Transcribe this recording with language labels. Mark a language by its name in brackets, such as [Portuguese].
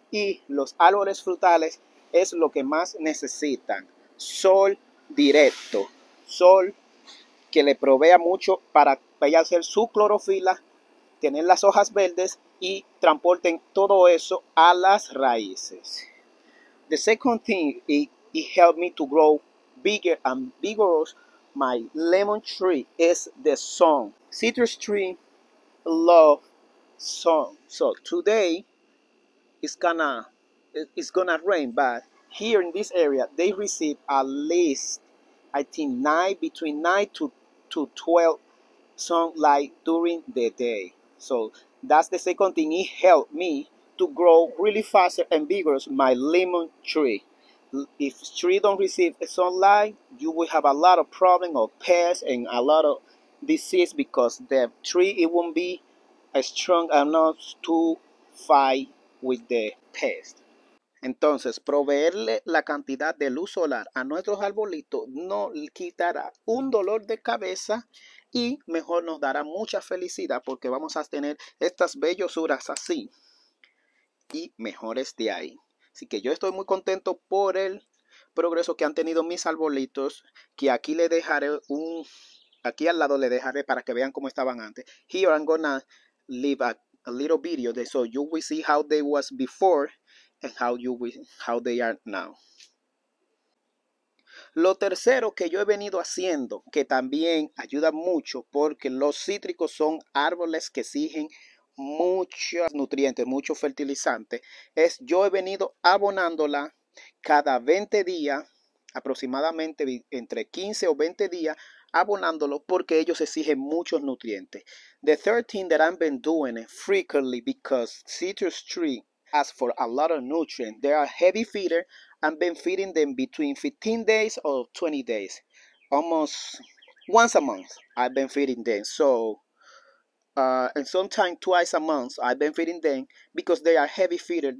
[Spanish] Y los árboles frutales es lo que más necesitan. Sol directo. Sol que le provea mucho para ella hacer su clorofila, tener las hojas verdes y transporten todo eso a las raíces. [English] The second thing, it helped me to grow bigger and vigorous my lemon tree is the sun. Citrus tree love sun. So today, it's gonna rain, but here in this area they receive at least I think between 9 to 12 sunlight during the day. So that's the second thing. It helped me to grow really faster and vigorous my lemon tree. If tree don't receive sunlight, you will have a lot of problem of pests and a lot of disease because the tree it won't be strong enough to fight with the pest. [Spanish] Entonces, proveerle la cantidad de luz solar a nuestros arbolitos no quitará un dolor de cabeza y mejor nos dará mucha felicidad porque vamos a tener estas bellosuras así y mejores de ahí. Así que yo estoy muy contento por el progreso que han tenido mis arbolitos, que aquí le dejaré un aquí al lado le dejaré para que vean cómo estaban antes. [English] Here I'm gonna leave a little video there so you will see how they was before and how they are now. [Spanish] Lo tercero que yo he venido haciendo, que también ayuda mucho porque los cítricos son árboles que exigen muchos nutrientes, mucho fertilizante, es yo he venido abonándola cada 20 días, aproximadamente entre 15 o 20 días, abonándolo porque ellos exigen muchos nutrientes. [English] The 13 that I've been doing it frequently because citrus tree asks for a lot of nutrients. They are heavy feeder. I've been feeding them between 15 days or 20 days. Almost once a month I've been feeding them. So, and sometimes twice a month I've been feeding them because they are heavy feeder.